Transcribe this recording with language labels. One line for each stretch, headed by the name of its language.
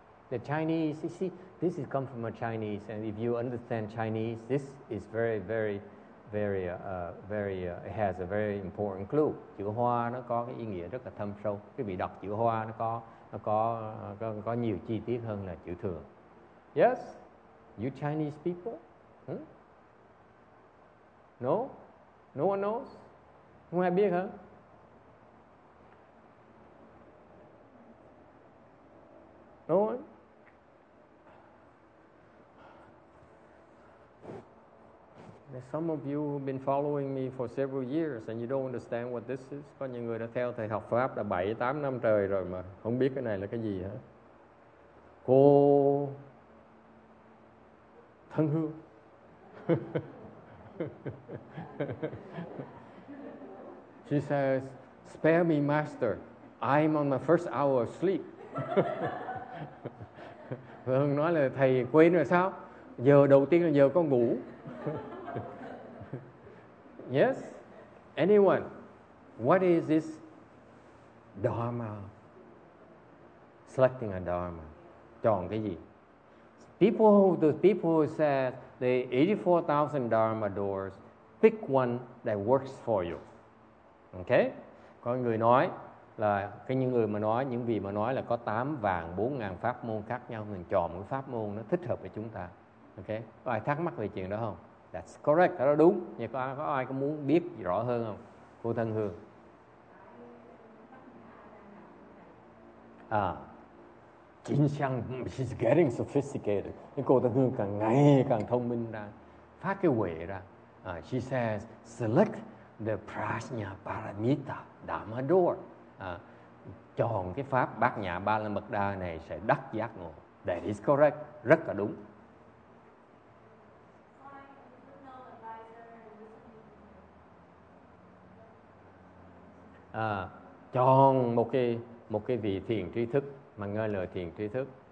English: The Chinese, you see, this has come from a Chinese, and if you understand Chinese, this is very, very, very, very, it has a very important clue.
Vietnamese: Chữ Hoa nó có cái ý nghĩa rất là thâm sâu. Quý vị đọc chữ Hoa nó có nhiều chi tiết hơn là chữ thường.
English: Yes? You Chinese people? No? No one knows?
Vietnamese: Không ai biết hả?
English: No one? Some of you have been following me for several years and you don't understand what this is.
Vietnamese: Có những người đã theo thầy học Pháp đã 7-8 năm trời rồi mà không biết cái này là cái gì hả? Cô thân hương.
English: She says, spare me master, I'm on my first hour of sleep.
Vietnamese: Vâng, nói là thầy quên rồi sao? Giờ đầu tiên là giờ con ngủ.
English: Yes? Anyone? What is this dharma? Selecting a dharma.
Vietnamese: Chọn cái gì?
English: The people who said the 84,000 dharma doors, pick one that works for you. Okay?
Vietnamese: Có người nói là cái những người mà nói, những vị mà nói là có 84,000 pháp môn khác nhau, mình chọn một pháp môn nó thích hợp với chúng ta. Okay? Có ai thắc mắc về chuyện đó không?
English: That's correct,
Vietnamese: đó đúng. Nhưng có ai có muốn biết rõ hơn không? Cô Thân Hương.
English: Chính xăng, she's getting sophisticated.
Vietnamese: Cô Thân Hương càng ngày càng thông minh ra, phát cái huệ ra.
English: She says, select the Prajna Paramita Dharma Door.
Vietnamese: Chọn cái pháp Bát Nhã Ba La Mật Đa này sẽ đắc giác ngộ.
English: That is correct,
Vietnamese: rất là đúng. Chọn một cái vị thiền tri thức mà nghe lời thiền tri thức.